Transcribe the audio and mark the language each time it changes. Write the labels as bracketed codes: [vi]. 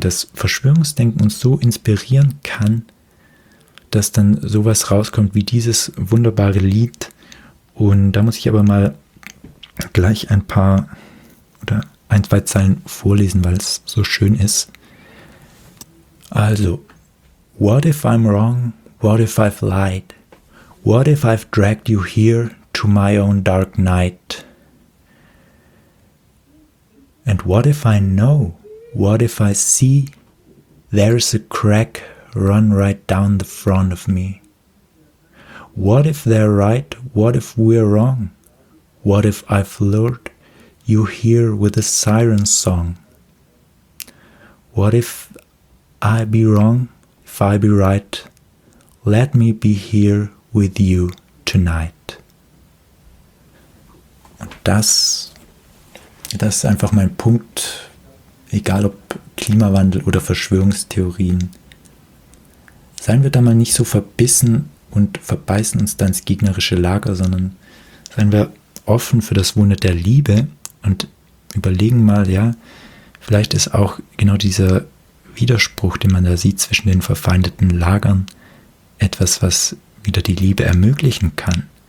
[de] Dass Verschwörungsdenken uns so inspirieren kann, dass dann sowas rauskommt wie dieses wunderbare Lied. Und da muss ich aber mal gleich ein paar oder ein, zwei Zeilen vorlesen, weil es so schön ist. Also, [en] What if I'm wrong? What if I've lied? What if I've dragged you here to my own dark night? And what if I know? What if I see? There's a crack run right down the front of me. What if they're right? What if we're wrong? What if I've lured you here with a siren song? What if I be wrong? If I be right, let me be here with you tonight. [de] Und das ist einfach mein Punkt, egal ob Klimawandel oder Verschwörungstheorien. Seien wir da mal nicht so verbissen und verbeißen uns dann ins gegnerische Lager, sondern seien wir offen für das Wunder der Liebe und überlegen mal, ja, vielleicht ist auch genau dieser Widerspruch, den man da sieht zwischen den verfeindeten Lagern, etwas, was wieder die Liebe ermöglichen kann.